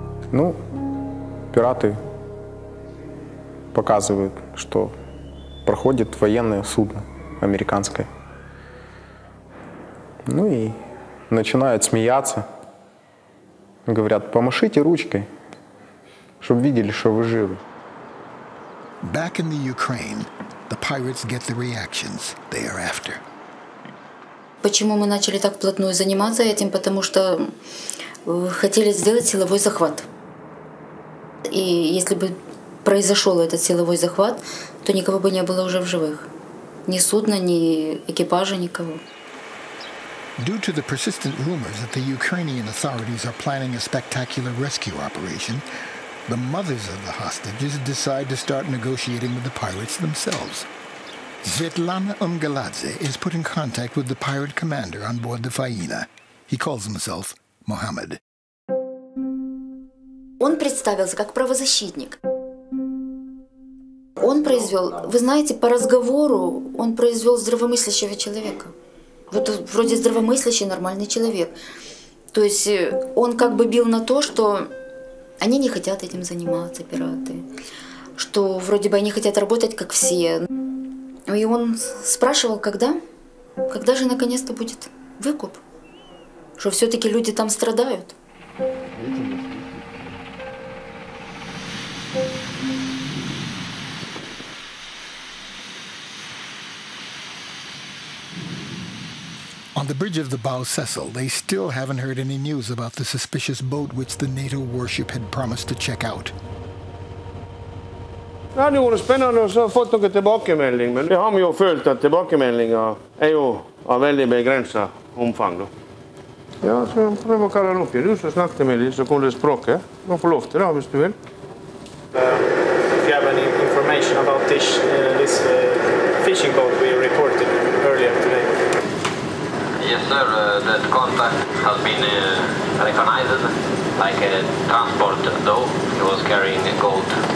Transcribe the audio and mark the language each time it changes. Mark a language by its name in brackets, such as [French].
[Russian] Ну, пираты показывают, что проходит военное судно американское. Ну и начинают смеяться, говорят, помашите ручкой, чтобы видели, что вы живы. [English] Back in the Ukraine, the pirates get the reactions they are after. [Russian] Почему мы начали так вплотную заниматься этим? Потому что хотели сделать силовой захват. И если бы произошел этот силовой захват, то никого бы не было уже в живых. Ни судна, ни экипажа, никого. [English] Due to the persistent rumors that the Ukrainian authorities are planning a spectacular rescue operation, the mothers of the hostages decide to start negotiating with the pirates themselves. Svetlana Umgaladze is put in contact with the pirate commander on board the Faina. He calls himself Mohammed. [Russian] Он представился как правозащитник. Он произвел, вы знаете, по разговору он произвел здравомыслящего человека. Вот вроде здравомыслящий, нормальный человек. То есть он как бы бил на то, что они не хотят этим заниматься, пираты. Что вроде бы они хотят работать, как все. И он спрашивал, когда? Когда же наконец-то будет выкуп? Что все-таки люди там страдают? [English] On the bridge of the Bow Cecil, they still haven't heard any news about the suspicious boat which the NATO warship had promised to check out. [Norwegian] Det er jo spennende å få noen tilbakemelding, men vi har jo følt at tilbakemeldingen er jo av veldig begrenset omfang. Ja, så prøv å kalle den opp igjen. Du som snakket med dem, så kunne det språket. Du får lov til det, hvis du vil. [English] If you have any information about this fishing boat we reported earlier today. Yes, sir. The contact has been recognized like a transport, though it was carrying gold.